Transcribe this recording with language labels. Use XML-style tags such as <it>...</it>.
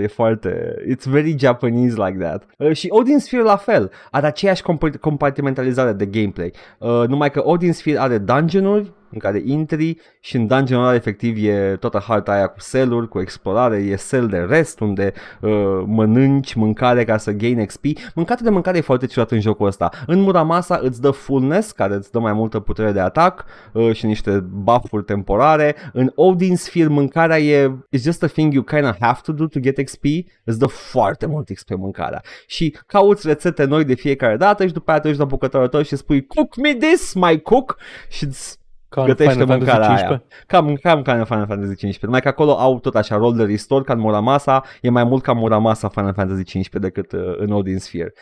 <ro>E foarte,</ro> <en>it's very Japanese like that.</en> <ro>Și Odin Sphere la fel, are aceeași compartimentalizare de gameplay, numai că Odin Sphere are dungeon-uri în care intri și în dungeon-ul ăla efectiv e toată harta aia cu cell-uri, cu explorare, e cell de rest unde mănânci mâncare ca să</ro> <en>gain XP.</en> <ro>Mâncatul de mâncare e foarte ciudat în jocul ăsta. În Muramasa îți dă fullness, care îți dă mai multă putere de atac și niște buff-uri temporare. În Odin Sphere mâncarea e</ro> <en>it's just a thing you kind of have to do to get XP.</en> <ro>Îți dă foarte mult XP mâncarea. Și cauți rețete noi de fiecare dată și după aia te duci la bucătăria tău și spui</ro> <en>cook me this, my cook,</en> <ro>și gătește mâncarea aia. Cam ca în Final Fantasy XV. Numai că acolo au tot așa rol de restore, ca în Muramasa. E mai mult ca Muramasa Final Fantasy XV decât în Odin Sphere.</ro>